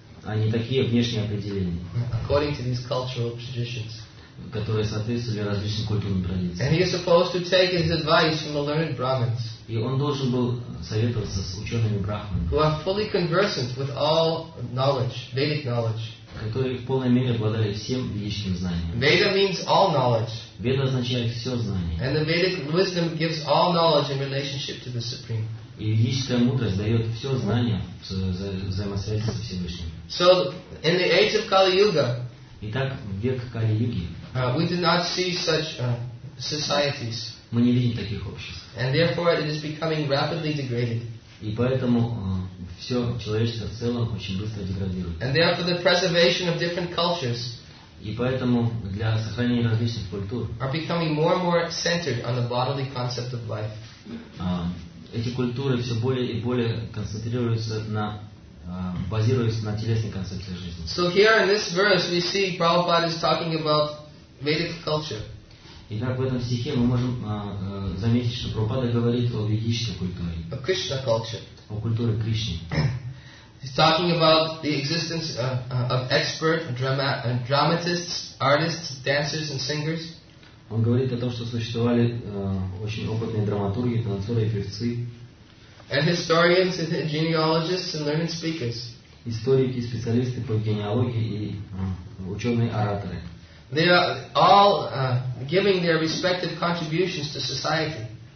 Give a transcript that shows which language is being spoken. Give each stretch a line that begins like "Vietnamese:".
Russian: А не такие внешние определения.
English: According to these cultural traditions.
Russian: Которые соответствовали различным культурным традициям.
English: And he is supposed to take his advice from the learned Brahmins.
Russian: И он должен был советоваться с учеными брахманами.
English: Who are fully conversant with all knowledge, Vedic knowledge.
Russian: Которые в полной мере обладали всем ведическим знанием.
English: Veda means all knowledge.
Russian: Веда означает все знание.
English: And the Vedic wisdom gives all knowledge in relationship to the Supreme.
Russian: И ведическая мудрость дает все знание в взаимосвязи со Всевышним.
English: So, in the age of Kali Yuga.
Russian: Итак, в век Кали-юги.
English: We do not see such societies.
Russian: Мы не видим таких обществ.
English: And therefore it is becoming rapidly degraded.
Russian: И поэтому все человечество в целом очень быстро деградирует.
English: And therefore the preservation of different cultures.
Russian: И поэтому для сохранения различных культур.
English: Are becoming more and more centered on the bodily concept of life.
Russian: Эти культуры все более и более концентрируются на базируются на телесной концепции жизни.
English: So here in this verse we see Prabhupada is talking about Vedic culture.
Russian: Итак, в этом стихе мы можем заметить, что Прабхупада говорит о ведической культуре.
English: A Krishna culture.
Russian: О культуре Кришны.
English: He's talking about the existence of expert dramatists, artists, dancers and singers.
Russian: Он говорит о том, что существовали очень опытные драматурги, танцоры и певцы.
English: and historians and genealogists and learned speakers.
Russian: Историки, специалисты по генеалогии и ученые-ораторы.
English: They are all giving their respective contributions to society.